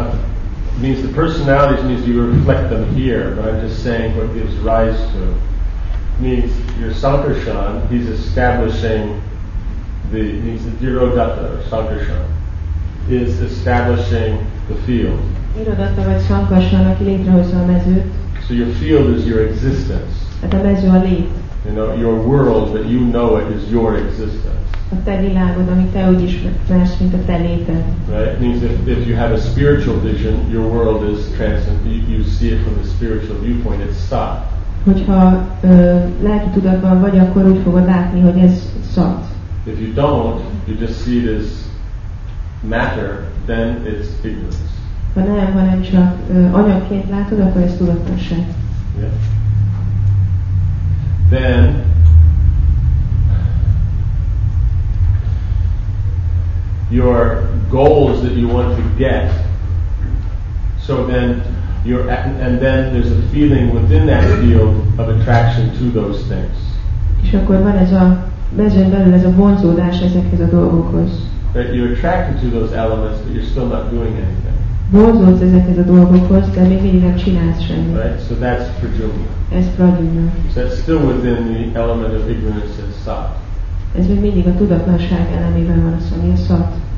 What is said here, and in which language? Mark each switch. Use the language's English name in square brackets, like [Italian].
[English] Csitadna, means the personalities means you reflect them here, but I'm just saying what gives rise to. Means your sankarshan, he's establishing means the dhirodatta or sankarshan is establishing the field. [Hungarian] Dhirodatta vagy sankarshan, aki létrehozza a mezőt. [English] So your field is your existence. [Hungarian] Hát a mező a lét. [English] You know, your world that you know it is your existence. [Hungarian] A te világod, ami te úgy ismersz, mint a te léted. [English] Right? Means if you have a spiritual vision, your world is transcendent. You see it from the spiritual viewpoint, it's sat. [Hungarian] Hogyha lelki tudatban vagy, akkor úgy fogod látni, hogy ez sat. [English] If you don't, you just see it as matter, then it's ignorance. [Hungarian] Ha nem, hanem csak anyagként látod, akkor ez tudatlanság. [English] Yeah. Then, your goals that you want to get, so then you're at, and then there's a feeling within that field of attraction to those things. [Hungarian] És akkor van ez a mezőn belül ez a vonzódás ezekhez a dolgokhoz. [English] That you're attracted to those elements, but you're still not doing anything. [Hungarian] Vonzódsz ezekhez a dolgokhoz, de még mindig nem csinálsz semmit. [English] Right, so that's prajumna. [Hungarian] Ez prajumna. [English] So that's still within the element of ignorance and sat. [Hungarian] Ez még mindig a tudatlanság elemében van az, ami a szat.